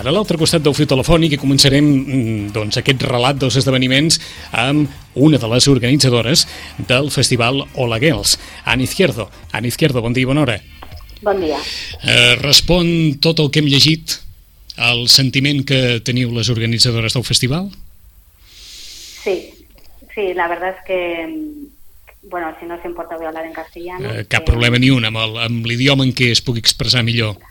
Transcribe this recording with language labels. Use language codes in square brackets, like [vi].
[ca] A l'altre costat del fil telefònic i començarem doncs, aquest relat dels esdeveniments amb una de les organitzadores del festival Hola Girls, Anne Izquierdo. Anne Izquierdo, bon dia i bona hora. Bon dia. Respon tot el que hem llegit al sentiment que teniu les organitzadores del festival? [es] Sí, la verdad es que... Bueno, si no se importa voy a hablar en castellano. [ca] Cap problema ni un, amb l'idioma en què es pugui expressar millor.